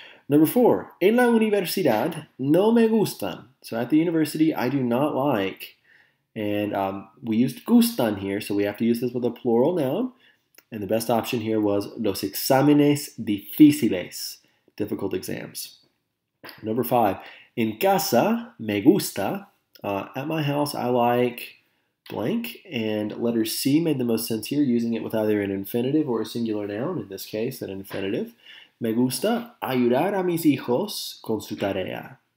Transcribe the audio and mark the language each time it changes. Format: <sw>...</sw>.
<en>Number four,</en> <es>en la universidad no me gustan.</es> <en>So at the university, I do not like, and we used gustan here, so we have to use this with a plural noun, and the best option here was</en> <es>los exámenes difíciles,</es> <en>difficult exams. Number five,</en> <es>en casa me gusta.</es> <en>At my house, I like blank, and letter C made the most sense here, using it with either an infinitive or a singular noun, in this case, an infinitive.</en> <es>Me gusta ayudar a mis hijos con su tarea.</es>